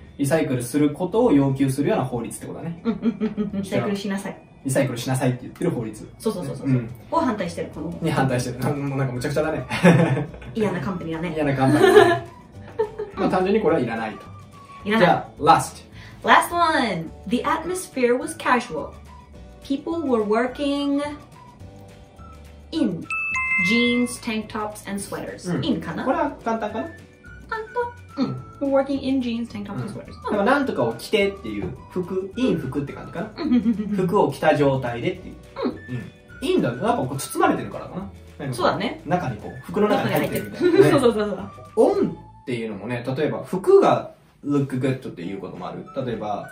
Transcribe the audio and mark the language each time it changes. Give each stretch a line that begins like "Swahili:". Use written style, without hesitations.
Japanese: リサイクルすることを要求するような法律ってことだね、うんうんうんうん、リサイクルしなさい、リサイクルしなさいって言ってる法律、そうそうそうそう、うん、を反対してる、このに反対してる、なんかむちゃくちゃだね。嫌なカンペリだね。嫌なカンペリだね。まあ単純にこれはいらないと。いらない。じゃあ last
English: last one. The atmosphere was casualPeople were working in jeans, tank tops, and sweaters.、
Japanese: うん、 in かな？これは簡単かな？簡単。うん。
English: We're working in jeans, tank tops, and sweaters.、
Japanese: うん、なんとかを着てっていう服、in 服って感じかな？服を着た状態でっていう。うん。 in、うん、だとやっぱこう包まれてるからかな？そうだね。中にこう、服の中に入ってるみたいな、ね。そうそうそうそう。 on っていうのもね、例えば服が
English: look good
Japanese: っていうこともある。例えば、